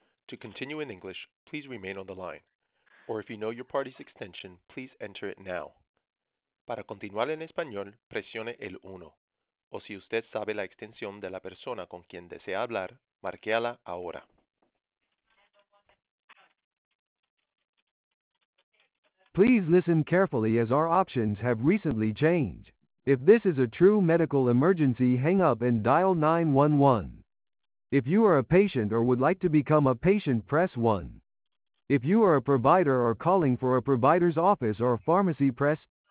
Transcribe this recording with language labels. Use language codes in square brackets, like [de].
[en] To continue in English, please remain on the line. Or if you know your party's extension, please enter it now. [es] Para continuar en español, presione el 1. O si usted sabe la extensión de la persona con quien desea hablar, márquela ahora. [en] Please listen carefully as our options have recently changed. If this is a true medical emergency, hang up and dial 911. If you are a patient or would like to become a patient, press 1. If you are a provider or calling for a provider's office or pharmacy, press 2.